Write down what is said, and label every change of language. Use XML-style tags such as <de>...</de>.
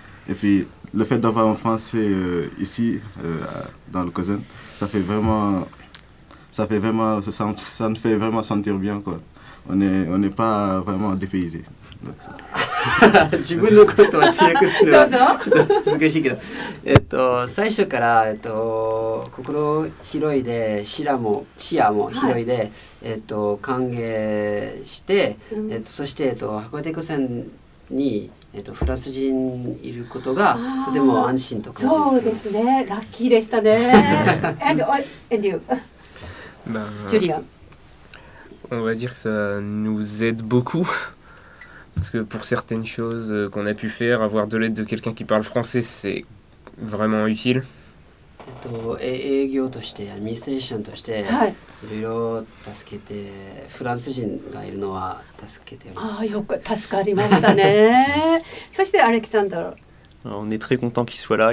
<fr>Et puis, le fait d'avoir un Français ici, dans le cousin, ça nous fait vraiment sentir bien, quoi. On n'est pas vraiment dépaysé.</fr> <ja>自分のことは強くするわ。ちょっと難しいけど、最初から、心広いで、視野も広いで、はい、歓迎して、そして、函館高専に、フランス人いることがとても安心と感じます。そうですね、ラッキーでしたね。</ja> <en>And you?</en> <fr>Julien? On va dire que ça nous aide beaucoup. Parce que pour certaines choses qu'on a pu faire, avoir de l'aide de quelqu'un qui parle français, c'est vraiment utile. On est très content qu'il soit là.</fr>